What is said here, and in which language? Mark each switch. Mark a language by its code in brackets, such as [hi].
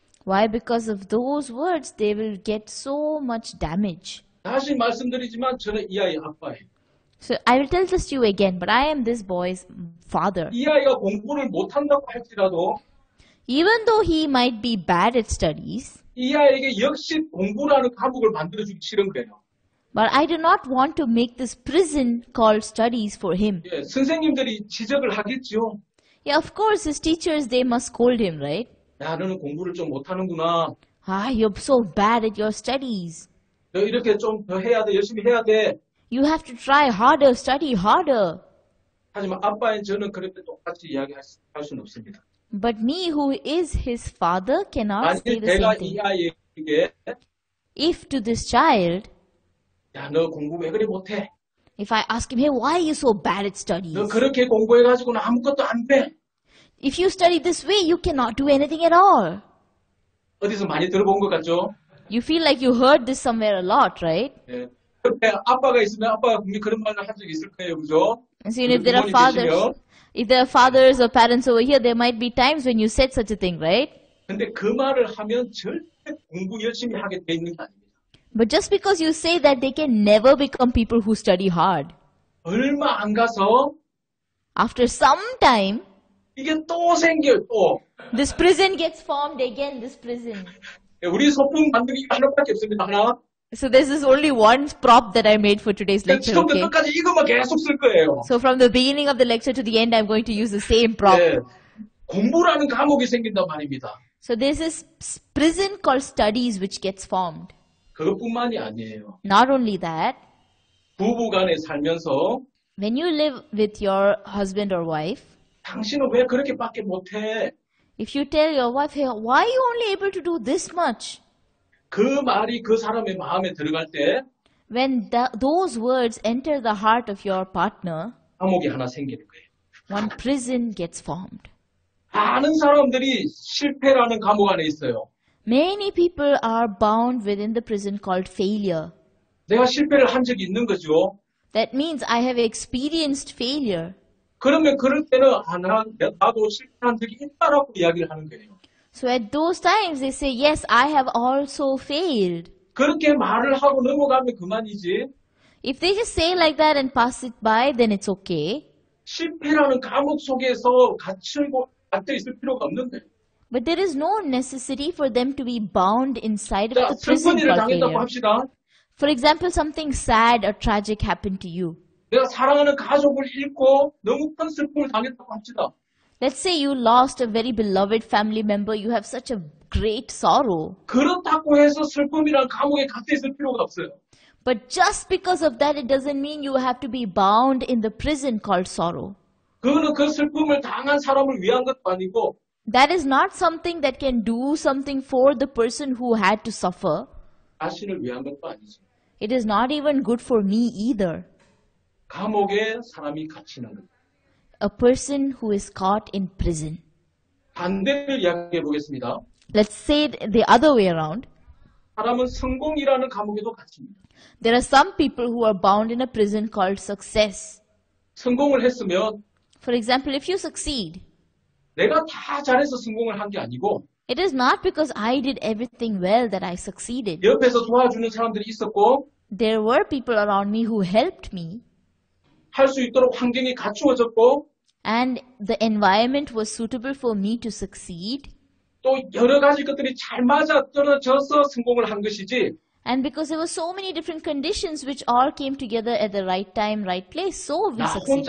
[en] Why? Because of those words, they will get so much damage. [ko] 다시 말씀드리지만 저는 이 아이의 아빠예요. [en] So I will tell this to you again, but I am this boy's father. [ko] 이 아이가 공부를 못한다고 할지라도 [en] Even though he might be bad at studies, [ko] 이 아이에게 역시 공부라는 감옥을 만들어주기 싫은 거예요. [en] But I do not want to make this prison called studies for him. [ko] 예, 선생님들이 지적을 하겠죠. [en] Yeah, of course, his teachers, they must scold him, right? [ko] 야, 너는 공부를 좀 못하는구나. [en] 아, you're so bad at your studies. [ko] 너 이렇게 좀더 해야 돼, 열심히 해야 돼. [en] You have to try harder, study harder. [ko] 하지만 아빠인 저는 그렇게 똑같이 이야기할 수는 없습니다. [en] But me, who is his father, cannot say the same thing. [ko] 만일 내가 이 아이에게 [en] If to this child, [ko] 야, 너 공부 왜 그리 못해? [en] If I ask him, hey, why are you so bad at studies? [ko] 너 그렇게 공부해가지고는 아무것도 안 돼. [en] If you study this way, you cannot do anything at all. [ko] 어디서 많이 들어본 것 같죠? [en] You feel like you heard this somewhere a lot, right? [ko] 네. 근데 아빠가 있으면 아빠가 분명 그런 말을 한 적이 있을 거예요, 그죠? [en] And so, if there are fathers, if there are fathers or parents over here, there might be times when you said such a thing, right? [ko] 근데 그 말을 하면 절대 공부 열심히 하게 돼 있는 게 아닙니다. [en] But just because you say that, they can never become people who study hard. [ko] 얼마 안 가서 [en] After some time, [ko] 이게 또 생겨 또. [en] This prison gets formed again. This prison. [ko] 우리 소품 만들기 하나밖에 없습니다. 하나. [en] So this is only one prop that I made for today's lecture. [ko] 처음부터 끝까지 이것만 계속 쓸 거예요. [en] So from the beginning of the lecture to the end, I'm going to use the same prop. [ko] 네, 공부라는 감옥이 생긴다 말입니다. [en] So this is prison called studies which gets formed. [ko] 그것뿐만이 아니에요. [en] Not only that. [ko] 부부간에 살면서. [en] When you live with your husband or wife. [ko] 당신은 왜 그렇게밖에 못해? [en] If you tell your wife, hey, why are you only able to do this much? [ko] 그 말이 그 사람의 마음에 들어갈 때 [en] When those words enter the heart of your partner [ko] 감옥이 하나 생기는 거예요. [en] One prison gets formed. [ko] 많은 사람들이 실패라는 감옥 안에 있어요. [en] Many people are bound within the prison called failure. [ko] 내가 실패를 한 적이 있는 거죠. [en] That means I have experienced failure. [ko] 그러면 그럴 때는 나도 실패한 적이 있다라고 이야기를 하는 거예요. [en] So at those times, they say, yes, I have also failed. [ko] 그렇게 말을 하고 넘어가면 그만이지. [en] If they just say like that and pass it by, then it's okay. [ko] 실패라는 감옥 속에서 갇히고 갇혀 있을 필요가 없는데. [en] But there is no necessity for them to be bound inside of the prison. [ko] 슬픈 일을 당했다고 합시다. [en] For example, something sad or tragic happened to you. [ko] 내가 사랑하는 가족을 잃고 너무 큰 슬픔을 당했다고 합시다. [en] Let's say you lost a very beloved family member. You have such a great sorrow. [ko] 그렇다고 해서 슬픔이란 감옥에 갇혀 있을 필요가 없어요. [en] But just because of that, it doesn't mean you have to be bound in the prison called sorrow. [ko] 그거는 그 슬픔을 당한 사람을 위한 것도 아니고. [en] That is not something that can do something for the person who had to suffer. [ko] 자신을 위한 것도 아니지. [en] It is not even good for me either. [ko] 감옥에 사람이 갇히는 것. [en] A person who is caught in prison. [ko] 반대를 이야기해 보겠습니다. [en] Let's say it the other way around. [ko] 사람은 성공이라는 감옥에도 갇힙니다. [en] There are some people who are bound in a prison called success. [ko] 성공을 했으면 [en] For example, if you succeed. [ko] 내가 다 잘해서 성공을 한 게 아니고 [en] It is not because I did everything well that I succeeded. [ko] 옆에서 도와주는 사람들이 있었고 [en] There were people around me who helped me. [ko] 할 수 있도록 환경이 갖추어졌고 [en] And the environment was suitable for me to succeed. [ko] 또 여러 가지 것들이 잘 맞아 떨어져서 성공을 한 것이지. [en] And because there were so many different conditions which all came together at the right time, right place, so we succeeded.